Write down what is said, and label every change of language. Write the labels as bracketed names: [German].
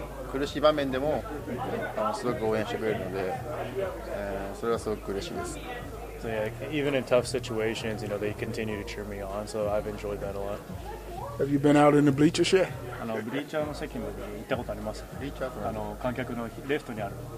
[Japanese] 苦しい場面でもすごく応援してくれるので、それはすごく嬉しいです。 [English] So, yeah, even in tough situations, you know, they continue to cheer me on, so I've enjoyed that a lot. Have you been out in the bleachers yet? [Japanese] ブリーチャーの席まで行ったことあります。ブリーチャーとは観客のレフトにある。